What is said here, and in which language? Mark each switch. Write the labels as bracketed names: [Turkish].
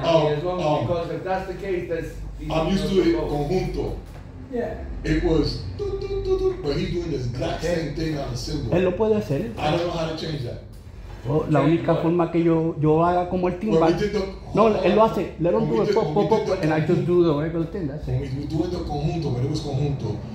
[English] Oh, I mean, as long as, because if that's the case, that's... I'm used to it, Conjunto. Yeah. It was, but he's doing this exact same thing on a cymbal. [Spanish] Él lo puede hacer. [English] I don't know how to change that. Well, [Spanish] la única forma que yo haga como el timbal. No, él lo hace. [English] Let him do it, and I just do the regular thing. That's it. We do it Conjunto, but it was Conjunto.